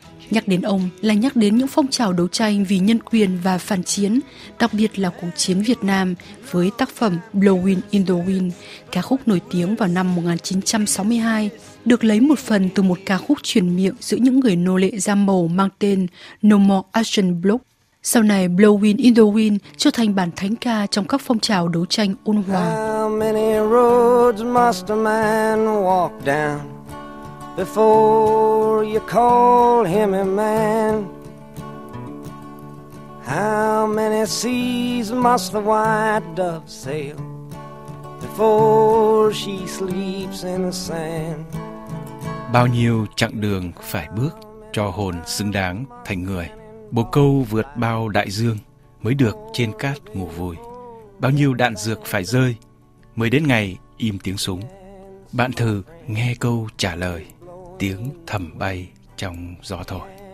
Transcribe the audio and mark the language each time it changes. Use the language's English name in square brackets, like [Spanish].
[Vietnamese] Nhắc đến ông là nhắc đến những phong trào đấu tranh vì nhân quyền và phản chiến, đặc biệt là cuộc chiến Việt Nam với tác phẩm Blowing in the Wind, ca khúc nổi tiếng vào năm 1962, được lấy một phần từ một ca khúc truyền miệng giữa những người nô lệ da màu mang tên No More Action Block. Sau này, Blowing in the Wind trở thành bản thánh ca trong các phong trào đấu tranh ôn hòa. [English] How many roads must a man walk down before you call him a man? How many seas must the white dove sail before she sleeps in the sand? [Vietnamese] Bao nhiêu chặng đường phải bước cho hồn xứng đáng thành người? Bồ câu vượt bao đại dương mới được trên cát ngủ vui. Bao nhiêu đạn dược phải rơi mới đến ngày im tiếng súng. Bạn thử nghe câu trả lời, tiếng thầm bay trong gió thổi.